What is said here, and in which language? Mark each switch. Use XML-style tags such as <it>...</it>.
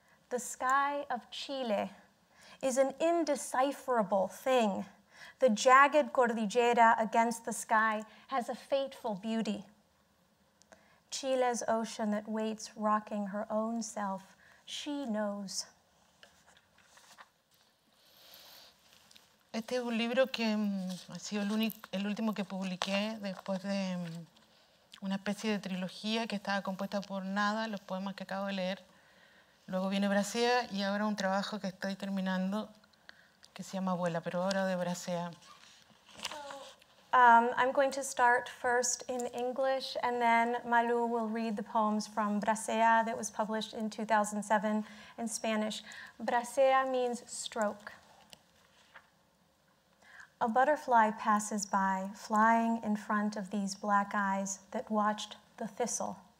<en>The sky of Chile is an indecipherable thing. The jagged cordillera against the sky has a fateful beauty. Chile's ocean that waits, rocking her own self, she knows.</en> <es>Este es un libro que ha sido el último que publiqué después de una especie de trilogía que estaba compuesta por Nada, los poemas que acabo de leer. Luego viene Bracea y ahora un trabajo que estoy terminando que se llama Abuela, pero ahora de Bracea.</es> <en>So, I'm going to start first in English and then Malu will read the poems from Bracea that was published in 2007 in Spanish. Bracea means stroke. A butterfly passes by, flying in front of these black eyes that watched the thistle.</en>